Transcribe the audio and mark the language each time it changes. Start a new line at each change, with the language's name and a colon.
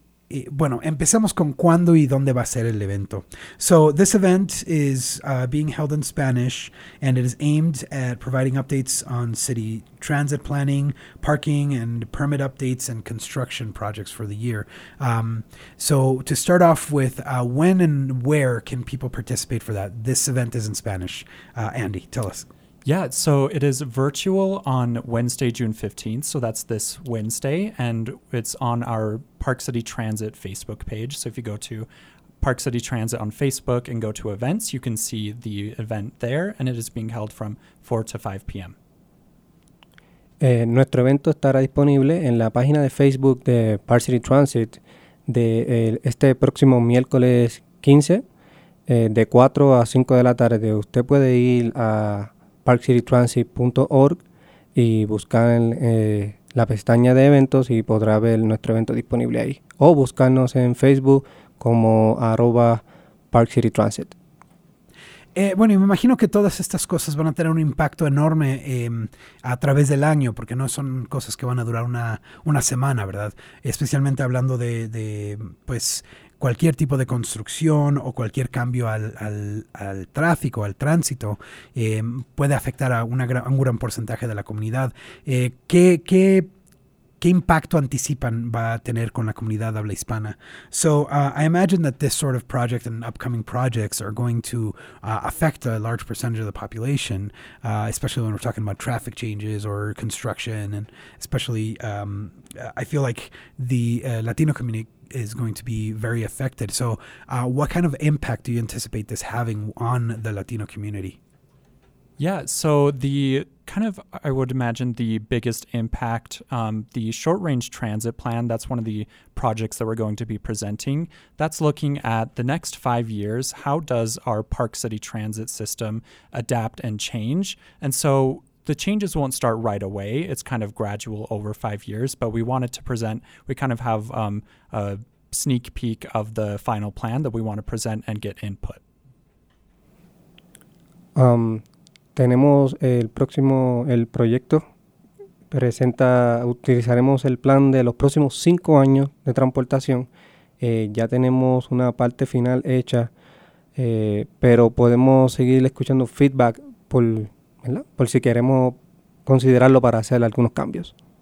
Spanish: Empecemos con cuándo y dónde va a ser el evento.
English: So this event is being held in Spanish, and it is aimed at providing updates on city transit planning, parking, and permit updates and construction projects for the year. So to start off with, when and where can people participate for that? This event is in Spanish. Andy, tell us. Yeah, so it is virtual on Wednesday, June 15th. So that's this Wednesday, and it's on our Park City Transit Facebook page. So if you go to Park City Transit on Facebook and go to events, you can see the event there, and it is being held from 4 to 5 p.m.
Spanish: Nuestro evento estará disponible en la página de Facebook de Park City Transit de este próximo miércoles 15, de 4 a 5 de la tarde. Usted puede ir a parkcitytransit.org y buscar la pestaña de eventos y podrá ver nuestro evento disponible ahí. O buscarnos en Facebook como @parkcitytransit. Me imagino que todas estas cosas van a tener un impacto enorme a través del año, porque no son cosas que van a durar una semana, ¿verdad? Especialmente hablando de cualquier tipo de construcción o cualquier cambio al tráfico, al tránsito, puede afectar a un gran porcentaje de la comunidad. ¿Qué impacto anticipan va a tener con la comunidad habla hispana?
English: So I imagine that this sort of project and upcoming projects are going to affect a large percentage of the population, especially when we're talking about traffic changes or construction, and especially I feel like the Latino community is going to be very affected. So what kind of impact do you anticipate this having on the Latino community? Yeah, so the kind of, I would imagine, the biggest impact, the short-range transit plan, that's one of the projects that we're going to be presenting. That's looking at the next 5 years, how does our Park City transit system adapt and change? And so the changes won't start right away. It's kind of gradual over 5 years, but we wanted to present, we kind of have a sneak peek of the final plan that we want to present and get input.
Spanish: Tenemos el proyecto presenta, utilizaremos el plan de los próximos 5 años de transportación. Ya tenemos una parte final hecha, pero podemos seguir escuchando feedback por si queremos considerarlo para hacer algunos cambios.